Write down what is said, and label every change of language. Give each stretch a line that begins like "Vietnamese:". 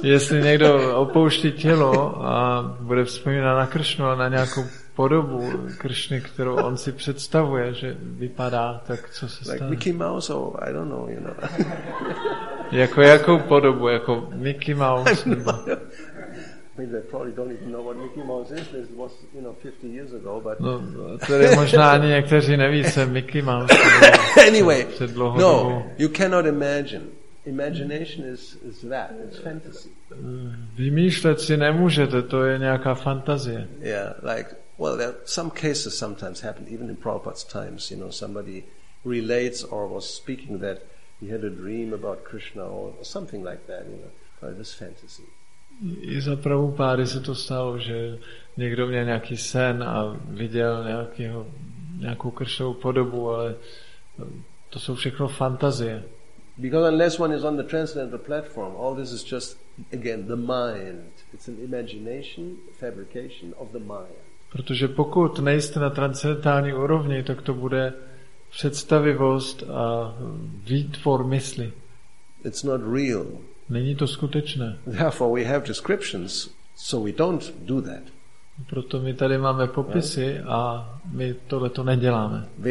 Czech: Jestli někdo opouští tělo a bude vzpomínat na Krishnu a na nějakou podobu Krishny, kterou on si představuje, že vypadá, tak co se
English: like
Czech: stane?
English: Like Mickey Mouse or I don't know, you know.
Czech: Jako jakou podobu, jako Mickey Mouse.
English: I mean, they probably don't even know what Mickey Mouse is. This was, you know, 50 years ago, but
Czech: no, tedy možná ani někteří neví, co Mickey Mouse.
English: Anyway,
Czech: před dlouhou no, dobu.
English: You cannot imagine. Imagination is that. It's fantasy.
Czech: Vymýšlet si nemůžete, to je nějaká fantazie.
English: Yeah, like, well, there some cases sometimes happen, even in Prabhupada's times, you know, somebody relates or was speaking that he had a dream about Krishna or something like that, you know, or this fantasy.
Czech: I za Prabhupády se to stalo, že někdo měl nějaký sen a viděl nějakou Krishnovu podobu, ale to jsou všechno fantazie.
English: Because unless one is on the transcendental platform, all this is just, again, the mind. It's an imagination, fabrication of the mind.
Czech: Protože pokud nejste na transcendentální úrovni, tak to bude představivost a výtvor mysli.
English: It's not real.
Czech: Není to skutečné.
English: Therefore we have descriptions, so we don't do that.
Czech: Proto my tady máme popisy a my tohle to neděláme.